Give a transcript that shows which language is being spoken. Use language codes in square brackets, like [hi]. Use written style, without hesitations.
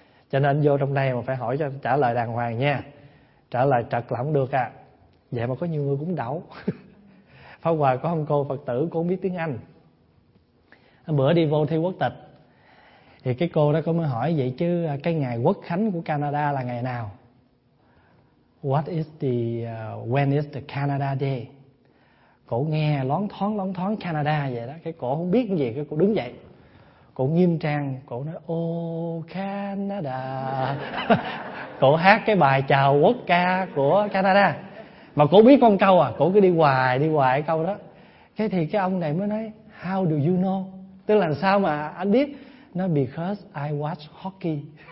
[vi] Cho nên vô trong đây mà phải hỏi cho trả lời đàng hoàng nha. Trả lời trật là không được à. Vậy mà có nhiều người cũng đậu. Pháp Hòa có ông cô Phật tử cũng biết tiếng Anh. Hôm bữa đi vô thi quốc tịch, thì cái cô đó có mới hỏi vậy chứ cái ngày quốc khánh của Canada là ngày nào? [en] What is the when is the Canada day? [vi] Cổ nghe loáng thoáng Canada vậy đó, cái cổ không biết cái gì, cái cổ đứng dậy. Cổ nghiêm trang, cổ nói ô Canada. Cổ hát cái bài chào quốc ca của Canada. Mà cổ biết con câu à, cổ cứ đi hoài cái câu đó. Cái thì cái ông này mới nói [en] how do you know? [vi] Tức là sao mà anh biết? Nó [en] because I watch hockey.